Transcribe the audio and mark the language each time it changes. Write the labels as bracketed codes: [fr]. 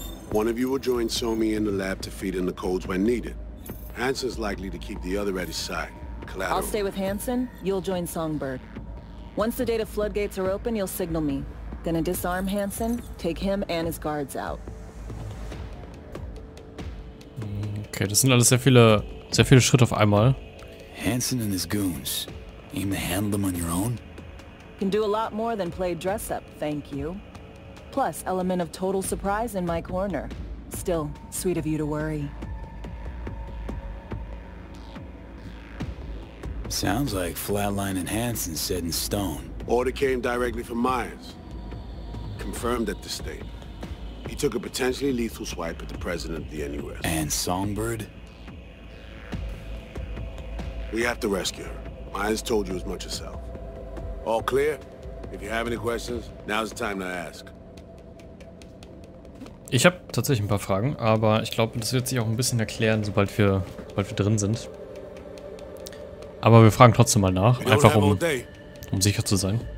[en] One of you will join Somi in the lab to feed in the codes when needed. Hansen's likely to keep the other at his side. Collateral. I'll stay with Hansen, you'll join Songbird. Once the data floodgates are open, you'll signal me. Gonna disarm Hansen, take him and his guards out. [de] Okay, das sind alles sehr viele Schritte auf einmal. [en] Hansen and his goons. Aim to handle them on your own? Can do a lot more than play dress-up, thank you. Plus, element of total surprise in my corner. Still, sweet of you to worry. Sounds like flatlining Hansen set in stone. Order came directly from Myers. Confirmed at the state. He took a potentially lethal swipe at the president of the NUS. And Songbird? We have to rescue her. Myers told you as much herself. All clear? If you have any questions, now's the time to ask. [de] Ich habe tatsächlich ein paar Fragen, aber ich glaube, das wird sich auch ein bisschen erklären, sobald wir drin sind. Aber wir fragen trotzdem mal nach, einfach um sicher zu sein.